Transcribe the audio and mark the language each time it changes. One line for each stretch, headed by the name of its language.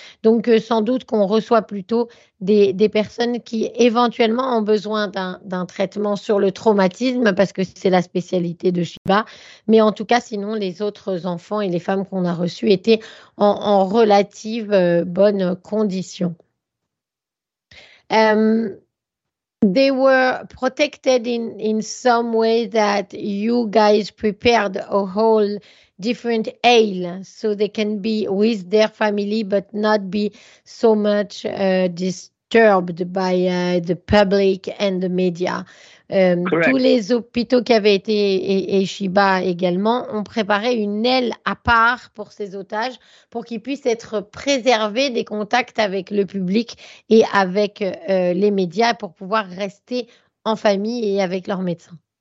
French: Donc, sans doute qu'on reçoit plutôt des personnes qui, éventuellement, ont besoin d'un traitement sur le traumatisme, parce que c'est la spécialité de Sheba. Mais en tout cas, sinon, les autres enfants et les femmes qu'on a reçus étaient en relative bonne condition.
English: They were protected in some way that you guys prepared a whole different aisle so they can be with their family but not be so much disturbed by the public and the media. Correct.
French: Tous les hôpitaux qui avaient été et Sheba également ont préparé une aile à part pour ces otages pour qu'ils puissent être préservés des contacts avec le public et avec les médias pour pouvoir rester en famille et avec leurs médecins.